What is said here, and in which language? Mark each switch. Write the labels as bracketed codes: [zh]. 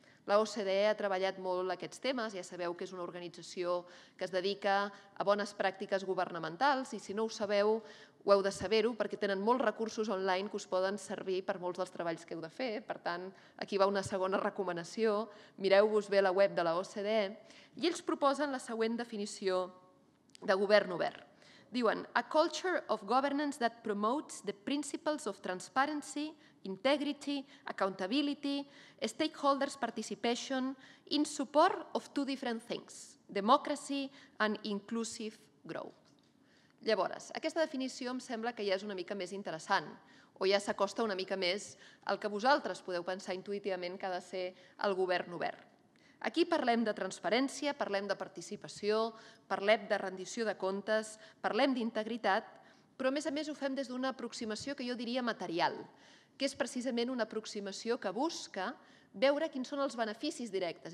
[ca] La OCDE ha treballat molt aquests temes, ja sabeu que és una organització que es dedica a bones pràctiques governamentals i si no ho sabeu, ho heu de saber-ho perquè tenen molts recursos online que us poden servir per molts dels treballs que heu de fer. Per tant, aquí va una segona recomanació. Mireu-vos bé la web de la OCDE. I ells proposen la següent definició de govern obert. [en] Diuen, a culture of governance that promotes the principles of transparency, integrity, accountability, stakeholders participation in support of two different things, democracy and inclusive growth. [ca] Llavors, aquesta definició em sembla que ja és una mica més interessant o ja s'acosta una mica més al que vosaltres podeu pensar intuïtivament que ha de ser el govern obert. Aquí parlem de transparència, parlem de participació, parlem de rendició de comptes, parlem d'integritat, però a més ho fem des d'una aproximació que jo diria material, que és precisament una aproximació que busca veure quins són els beneficis directes.